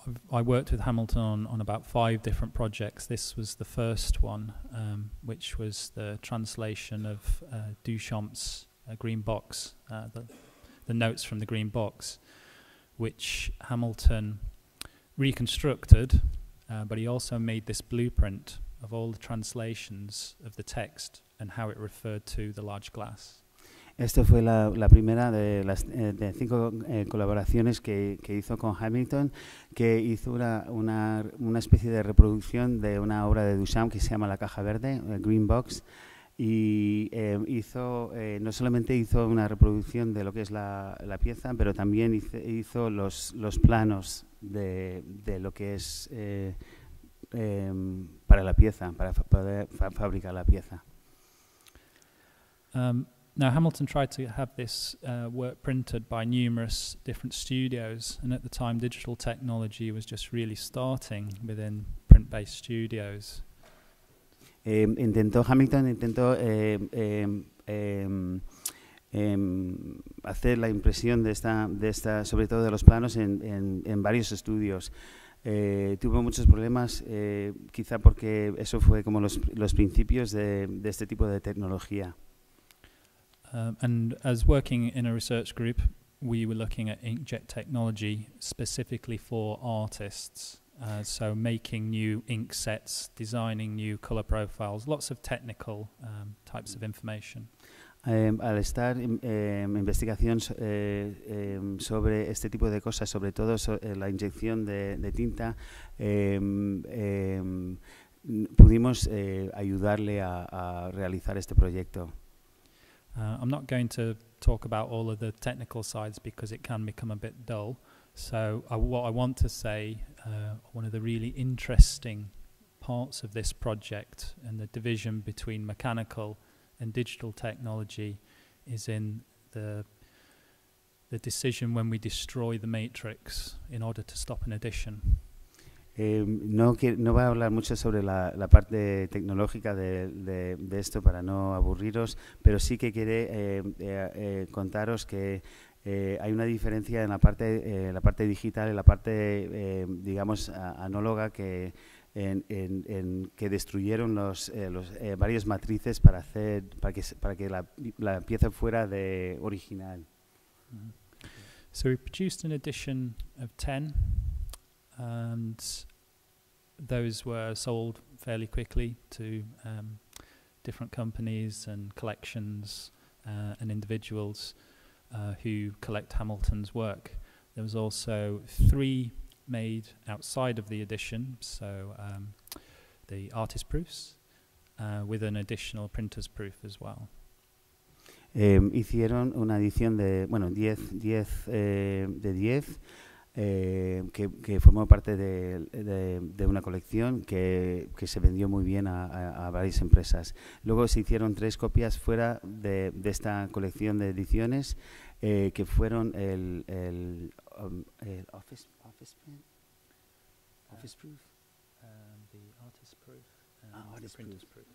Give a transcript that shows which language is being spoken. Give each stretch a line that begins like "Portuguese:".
English: I worked with Hamilton on about five different projects. This was the first one, which was the translation of Duchamp's Green Box, the notes from the Green Box, which Hamilton reconstructed, but he also made this blueprint of all the translations of the text and how it referred to the large glass.
Spanish: Esta fue la primera de las de cinco colaboraciones que hizo con Hamilton, que hizo una especie de reproducción de una obra de Duchamp que se llama La Caja Verde, Green Box, y hizo no solamente hizo una reproducción de lo que es la pieza, pero también hizo los planos de lo que es para la pieza, para poder fabricar la pieza.
English: Now, Hamilton tried to have this work printed by numerous different studios, and at the time, digital technology was just really starting within print-based studios.
Spanish: Hacer la impresión de esta, sobre todo de los planos, en varios estudios. Tuvo muchos problemas, quizá porque eso fue como los principios de este tipo de tecnología.
English: And as working in a research group, we were looking at inkjet technology specifically for artists. So making new ink sets, designing new color profiles, lots of technical types of information.
Spanish: Al estar en investigación sobre este tipo de cosas, sobre todo la inyección de tinta, pudimos ayudarle a realizar este proyecto.
English: I'm not going to talk about all of the technical sides because it can become a bit dull. So what I want to say, one of the really interesting parts of this project and the division between mechanical and digital technology is in the decision when we destroy the matrix in order to stop an edition.
Spanish: No voy a hablar mucho sobre la parte tecnológica de esto para no aburriros, pero sí que quiere contaros que hay una diferencia en la parte digital y la parte, digamos, análoga, que en que destruyeron los varias matrices para que la pieza fuera de original.
English: So we produced an edition of 10 and those were sold fairly quickly to different companies and collections and individuals who collect Hamilton's work. There was also 3 made outside of the edition, so the artist proofs with an additional printer's proof as well.
Spanish: Hicieron una edición de, bueno, 10 de 10. Que formó parte de una colección que se vendió muy bien a varias empresas. Luego se hicieron 3 copias fuera de esta colección de ediciones que fueron el
English: office print, office proof, the artist proof, the printer's proof.